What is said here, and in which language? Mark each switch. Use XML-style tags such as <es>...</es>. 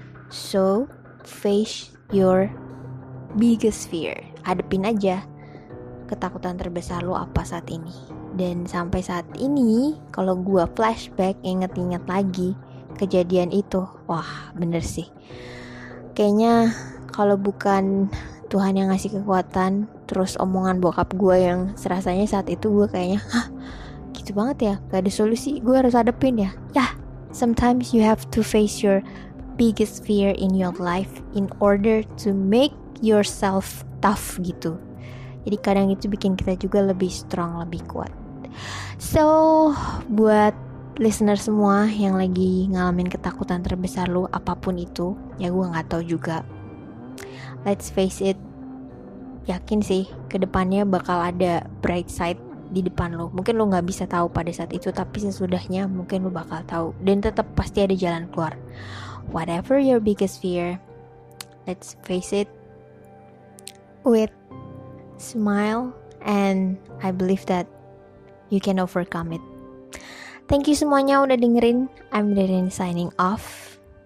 <en>So face your biggest fear.</en> <id>Hadepin aja ketakutan terbesar lu apa saat ini. Dan sampai saat ini kalau gua flashback inget-inget lagi kejadian itu, wah bener sih. Kayaknya kalau bukan Tuhan yang ngasih kekuatan, terus omongan bokap gue yang serasanya saat itu, gue kayaknya, hah, gitu banget ya, gak ada solusi, gue harus hadepin ya. Yeah, sometimes you have to face your biggest fear in your life in order to make yourself tough gitu. Jadi kadang itu bikin kita juga lebih strong, lebih kuat. So, buat listener semua yang lagi ngalamin ketakutan terbesar lu, apapun itu, ya gue gak tahu juga.</id> <en>Let's face it,</en> <id>yakin sih kedepannya bakal ada</id> <en>bright side</en> <id>di depan lo. Mungkin lo gak bisa tahu pada saat itu, tapi sesudahnya mungkin lo bakal tahu. Dan tetap pasti ada jalan keluar.</id> <en>Whatever your biggest fear, let's face it with smile, and I believe that you can overcome it. Thank you</en> <id>semuanya udah dengerin.</id> <en>I'm Ririn signing off.</en>